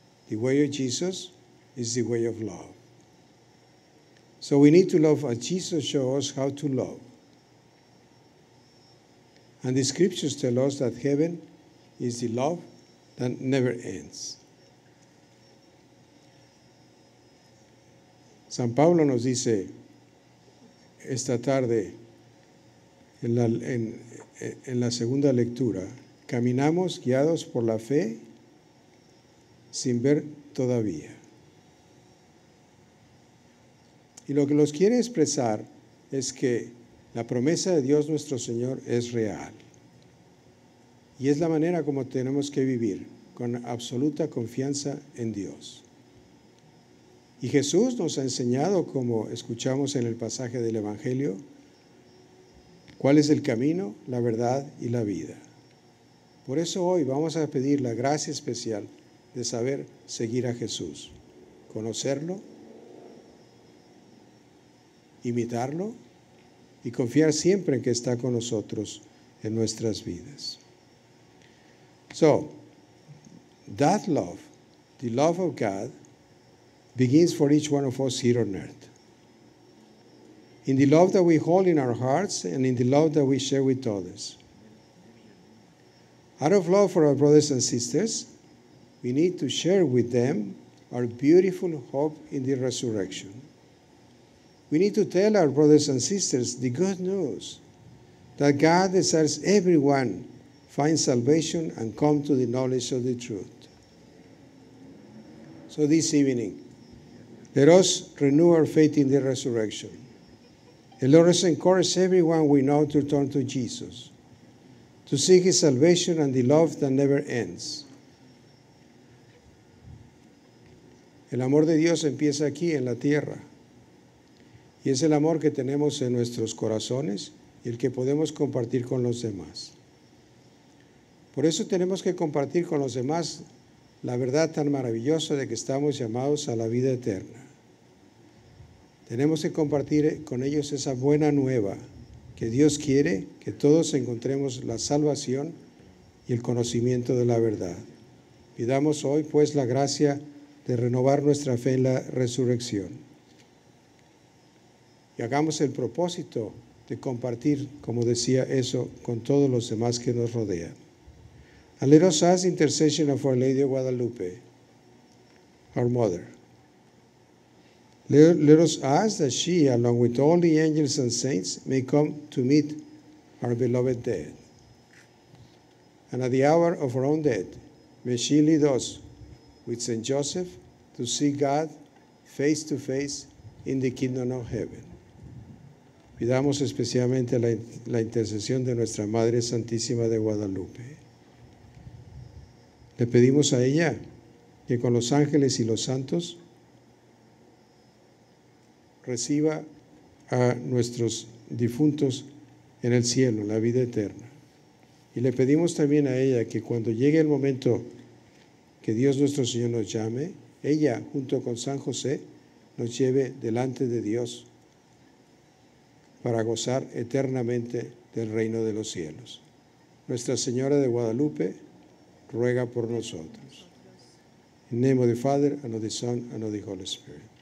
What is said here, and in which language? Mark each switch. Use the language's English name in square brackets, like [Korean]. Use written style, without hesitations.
[English] The way of Jesus is the way of love. So we need to love as Jesus showed us how to love. And the scriptures tell us that heaven is the love that never ends. [Spanish] San Pablo nos dice esta tarde en la segunda lectura, caminamos guiados por la fe sin ver todavía. Y lo que nos quiere expresar es que la promesa de Dios nuestro Señor es real. Y es la manera como tenemos que vivir, con absoluta confianza en Dios. Y Jesús nos ha enseñado, como escuchamos en el pasaje del Evangelio, cuál es el camino, la verdad y la vida. Por eso hoy vamos a pedir la gracia especial de saber seguir a Jesús, conocerlo, imitarlo y confiar siempre en que está con nosotros en nuestras vidas. [English] So, that love, the love of God, begins for each one of us here on earth. In the love that we hold in our hearts and in the love that we share with others. Out of love for our brothers and sisters, we need to share with them our beautiful hope in the resurrection. We need to tell our brothers and sisters the good news that God desires everyone find salvation and come to the knowledge of the truth. So this evening, let us renew our faith in the resurrection. And let us encourage everyone we know to turn to Jesus, to seek His salvation and the love that never ends. [Spanish] El amor de Dios empieza aquí en la tierra. Y es el amor que tenemos en nuestros corazones y el que podemos compartir con los demás. Por eso tenemos que compartir con los demás la verdad tan maravillosa de que estamos llamados a la vida eterna. Tenemos que compartir con ellos esa buena nueva que Dios quiere que todos encontremos la salvación y el conocimiento de la verdad. Pidamos hoy, pues, la gracia de renovar nuestra fe en la resurrección. Y hagamos el propósito de compartir, como decía eso, con todos los demás que nos rodean. [English] And let us ask intercession of Our Lady of Guadalupe, our mother. Let us ask that she, along with all the angels and saints, may come to meet our beloved dead. And at the hour of her own death, may she lead us with Saint Joseph to see God face to face in the kingdom of heaven. [Spanish] Pidamos especialmente la intercesión de nuestra Madre Santísima de Guadalupe. Le pedimos a ella que con los ángeles y los santos reciba a nuestros difuntos en el cielo, la vida eterna. Y le pedimos también a ella que cuando llegue el momento que Dios nuestro Señor nos llame, ella junto con San José nos lleve delante de Dios para gozar eternamente del reino de los cielos. Nuestra Señora de Guadalupe ruega por nosotros. [English] In the name of the Father, and of the Son, and of the Holy Spirit.